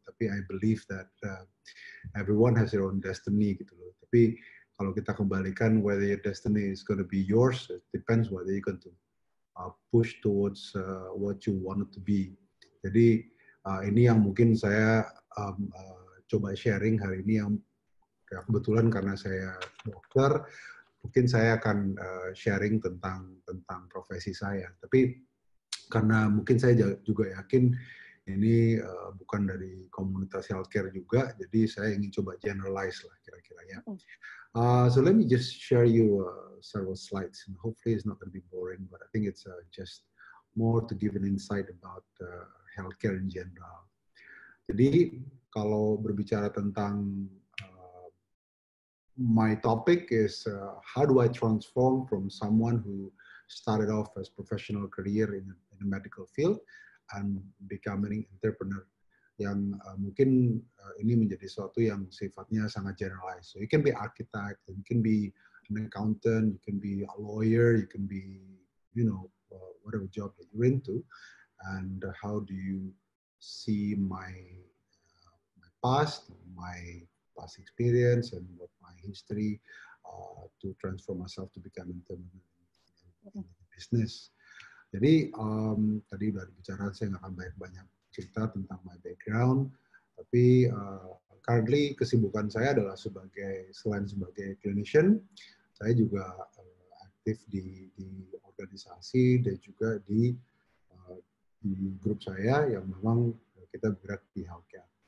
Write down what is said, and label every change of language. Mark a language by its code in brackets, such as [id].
[en] Tapi I believe that everyone has their own destiny gitu loh. [id] Tapi kalau kita kembalikan, [en] whether your destiny is going to be yours, it depends whether you're going to push towards what you wanted to be. [id] Jadi ini yang mungkin saya coba sharing hari ini, yang ya, kebetulan karena saya dokter, mungkin saya akan sharing tentang profesi saya. Tapi karena mungkin saya juga yakin ini bukan dari komunitas healthcare juga, jadi saya ingin coba generalize lah kira-kira ya. [en] So let me just share you several slides. And hopefully it's not going to be boring, but I think it's just more to give an insight about healthcare in general. [id] Jadi kalau berbicara tentang [en] my topic is how do I transform from someone who started off as professional career in the medical field and becoming entrepreneur, [id] yang mungkin ini menjadi sesuatu yang sifatnya sangat generalized. [en] So you can be architect, you can be an accountant, you can be a lawyer, you can be, you know, whatever job that you're into, and how do you see my past, my past experience, and what my history to transform myself to become in the business. [id] Jadi tadi dari bicara saya nggak akan banyak cerita tentang [en] my background, [id] tapi currently kesibukan saya adalah selain sebagai clinician, saya juga aktif di organisasi dan juga di grup saya yang memang kita bergerak di healthcare.